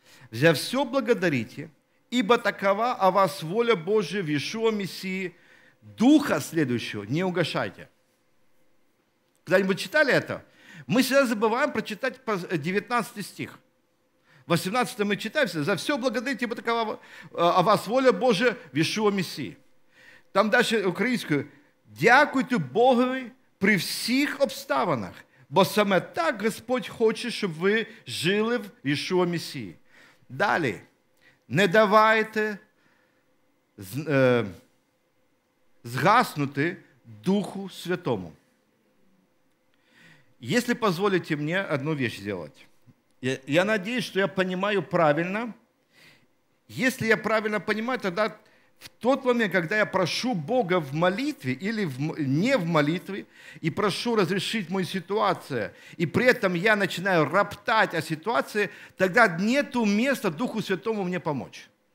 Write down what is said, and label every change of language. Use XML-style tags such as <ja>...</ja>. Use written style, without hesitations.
<ru>«За все благодарите, ибо такова о вас воля Божия в Иешуа Мессии, Духа следующего не угашайте». Когда-нибудь читали это? Мы всегда забываем прочитать 19 стих. 18 мы читаем, «За все благодарите, ибо такова о вас воля Божия в Иешуа Мессии». Там дальше украинскую.</ru> <uk>«Дякуйте Богу при всех обставинах, бо саме так Господь хоче, щоб ви жили в Ішуа Месії. Далі. Не давайте згаснути Духу Святому. Якщо дозволите мені одну річ зробити. Я сподіваюся, що я розумію правильно. Якщо я правильно розумію, тоді</uk> <ru>в тот момент, когда я прошу Бога в молитве или не в молитве, и прошу разрешить мою ситуацию, и при этом я начинаю роптать о ситуации, тогда нет места Духу Святому мне помочь.</ru>